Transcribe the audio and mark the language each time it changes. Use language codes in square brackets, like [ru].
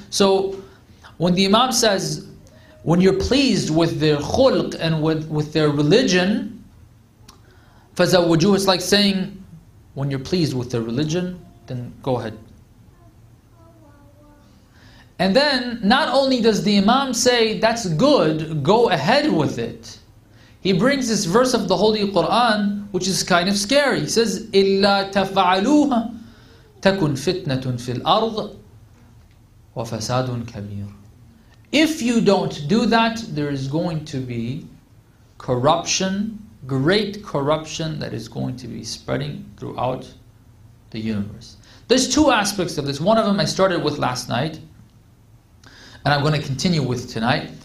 [en] So when the Imam says, when you're pleased with their khulq and with their religion, [ar] فَزَوَّجُوهُ, [en] it's like saying, when you're pleased with their religion, then go ahead. And then, not only does the Imam say, that's good, go ahead with it, he brings this verse of the Holy Quran, which is kind of scary. [ar] He says, إِلَّا تَفَعَلُوهَ تَكُنْ فِتْنَةٌ فِي الْأَرْضِ وَفَسَادٌ كَبِيرٌ. [en] If you don't do that, there is going to be corruption, great corruption that is going to be spreading throughout the universe. There's two aspects of this. One of them I started with last night, and I'm going to continue with tonight.